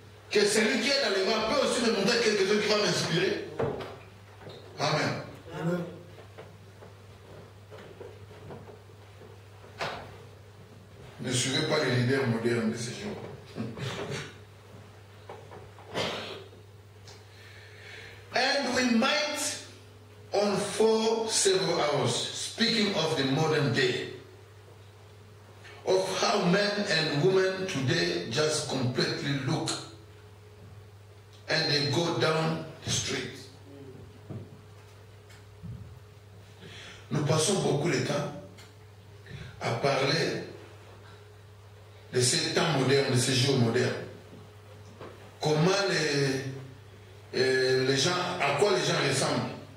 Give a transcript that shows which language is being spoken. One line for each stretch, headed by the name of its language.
French: Que celui qui est dans les voies peut aussi me montrer quelque chose qui va m'inspirer. Amen. Amen. Ne suivez pas les leaders modernes de ces jours.
English: And we might on for several hours, speaking of the modern day, of how men and women today just completely look and they go down the street.
French: Nous passons beaucoup de temps à parler de ces temps modernes, de ces jours modernes. Comment les gens, à quoi les gens ressemblent.